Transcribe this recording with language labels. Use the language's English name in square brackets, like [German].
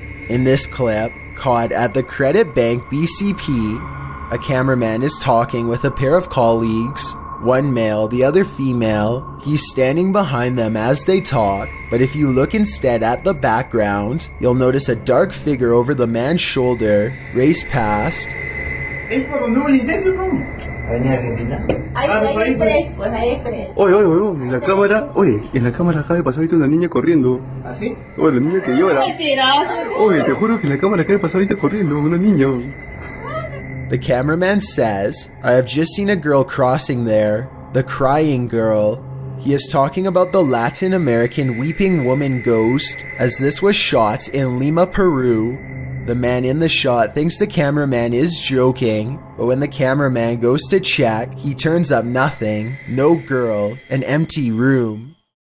[English] In this clip, caught at the Credit Bank BCP, a cameraman is talking with a pair of colleagues, one male, the other female. He's standing behind them as they talk, but if you look instead at the background, you'll notice a dark figure over the man's shoulder race past. [Spanish] Oye, oye, oye, en la cámara, oye, en la cámara acaba de pasar ahorita una niña corriendo. ¿Ah, sí? Oye, la niña que llora. Oye, te juro que en la cámara acaba de pasar ahorita corriendo una niña. [English] The cameraman says, I have just seen a girl crossing there, the crying girl. He is talking about the Latin American weeping woman ghost, as this was shot in Lima, Peru. The man in the shot thinks the cameraman is joking, but when the cameraman goes to check, he turns up nothing, no girl, an empty room.